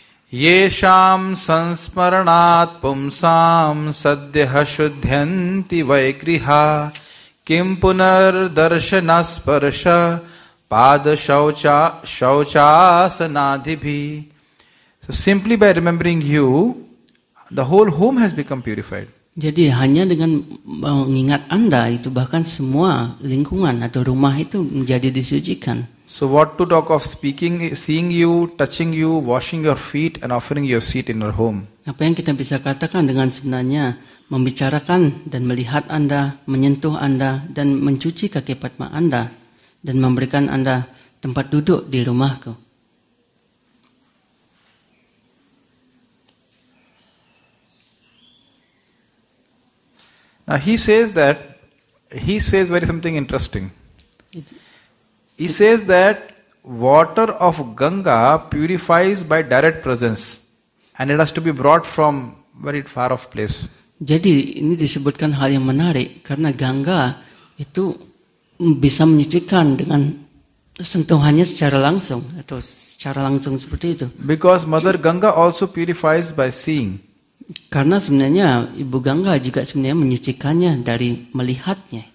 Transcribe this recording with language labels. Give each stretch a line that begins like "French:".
Sanskrit: Yesham sansmaranat pumsam sadyah shudhyanti vaikriha kim punar darshana sparsha pada shauchasanadhibhi.
English: So simply by remembering you, the whole home has become purified.
Indonesian: Jadi hanya dengan mengingat Anda itu bahkan semua lingkungan atau rumah itu menjadi disucikan.
English: So what to talk of speaking, seeing you, touching you, washing your feet and offering your seat in your home.
Indonesian: Apa yang kita bisa katakan dengan sebenarnya membicarakan dan melihat Anda, menyentuh Anda dan mencuci kaki Padma Anda dan memberikan Anda tempat duduk di rumahku.
English: Now he says very something interesting. He says that water of Ganga purifies by direct presence and it has to be brought from very far off place.
Indonesian: Jadi ini disebutkan hal yang menarik karena Ganga itu bisa menyucikan dengan sentuhannya secara langsung atau secara langsung seperti itu.
English: Because Mother Ganga also purifies by seeing.
Indonesian: Karena sebenarnya Ibu Ganga juga sebenarnya menyucikannya dari melihatnya.